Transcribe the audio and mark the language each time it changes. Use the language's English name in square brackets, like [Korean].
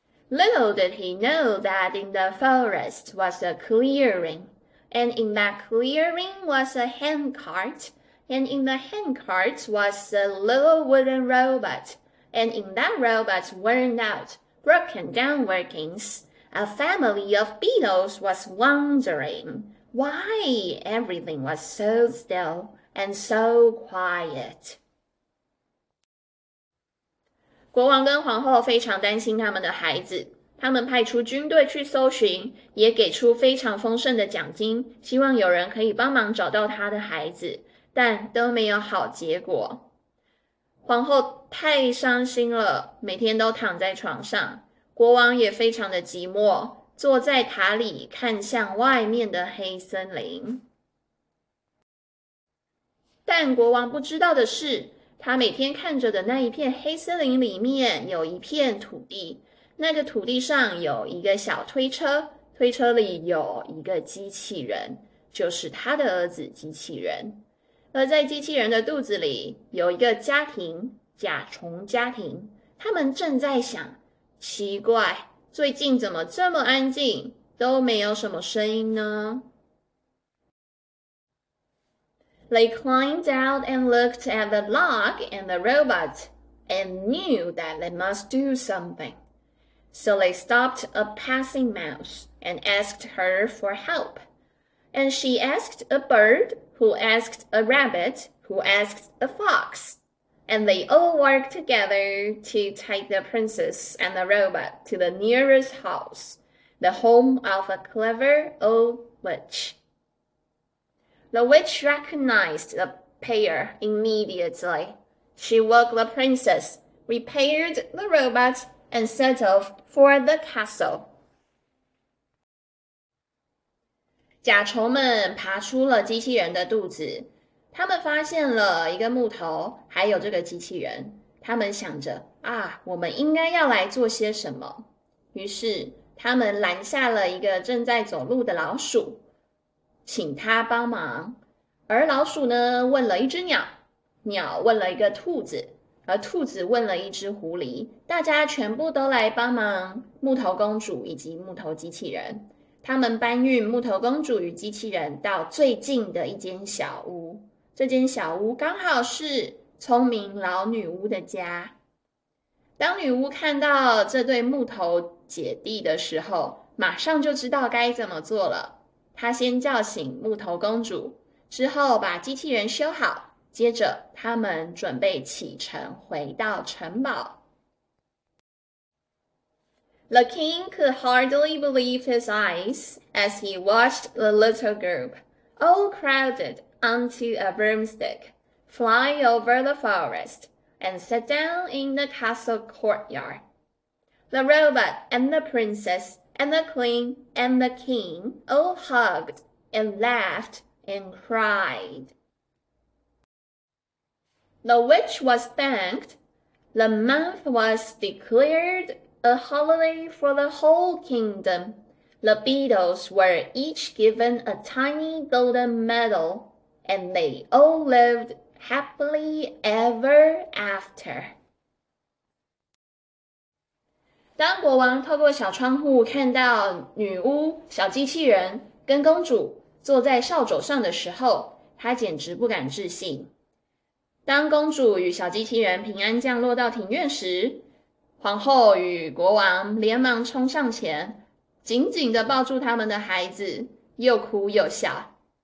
[English] Little did he know that in the forest was a clearing, and in that clearing was a handcart, and in the handcart was a little wooden robot, and in that robot's worn out, broken down workings,A family of beetles was wondering why everything was so still and so quiet. [Chinese] 国王跟皇后非常担心他们的孩子，他们派出军队去搜寻，也给出非常丰盛的奖金，希望有人可以帮忙找到他的孩子，但都没有好结果。皇后太伤心了，每天都躺在床上。国王也非常的寂寞，坐在塔里看向外面的黑森林。但国王不知道的是，他每天看着的那一片黑森林里面有一片土地，那个土地上有一个小推车，推车里有一个机器人，就是他的儿子机器人。而在机器人的肚子里有一个家庭，甲虫家庭，他们正在想，奇怪，最近怎么这么安静，都没有什么声音呢？ [English] They climbed out and looked at the log and the robot and knew that they must do something. So they stopped a passing mouse and asked her for help. And she asked a bird, who asked a rabbit, who asked a fox. And they all worked together to take the princess and the robot to the nearest house, the home of a clever old witch. The witch recognized the pair immediately. She woke the princess, repaired the robot, and set off for the castle. [Chinese] 甲虫们爬出了机器人的肚子。他们发现了一个木头，还有这个机器人。他们想着，啊，我们应该要来做些什么。于是，他们拦下了一个正在走路的老鼠，请他帮忙。而老鼠呢，问了一只鸟，鸟问了一个兔子，而兔子问了一只狐狸。大家全部都来帮忙木头公主以及木头机器人。他们搬运木头公主与机器人到最近的一间小屋。这间小屋刚好是聪明老女巫的家。当女巫看到这对木头姐弟的时候，马上就知道该怎么做了。她先叫醒木头公主，之后把机器人修好，接着他们准备启程回到城堡。 [English] The king could hardly believe his eyes as he watched the little group, all crowded onto a broomstick, fly over the forest, and sit down in the castle courtyard. The robot and the princess and the queen and the king all hugged and laughed and cried. The witch was thanked. The month was declared A holiday for the whole kingdom. The Beatles were each given a tiny golden medal, and they all lived happily ever after. [Chinese] 当国王透过小窗户看到女巫、小机器人跟公主坐在扫帚上的时候，他简直不敢置信。当公主与小机器人平安降落到庭院时，皇后与国王连忙冲上前，紧紧地抱住他们的孩子，又哭又笑。